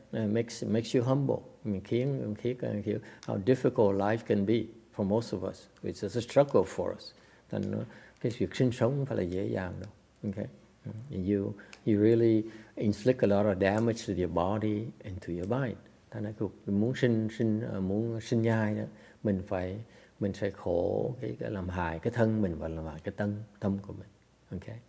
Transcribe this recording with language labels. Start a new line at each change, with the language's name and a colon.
English: Makes you humble. I mean, khiến how difficult life can be for most of us. It's just a struggle for us. Then,
Vietnamese: cái việc sinh sống không phải là dễ dàng đâu.
English: Okay, you really inflict a lot of damage to your body and to your mind.
Vietnamese: Thế nên muốn sinh nhai đó, mình phải khổ cái làm hại cái thân mình và làm hại cái tâm của mình.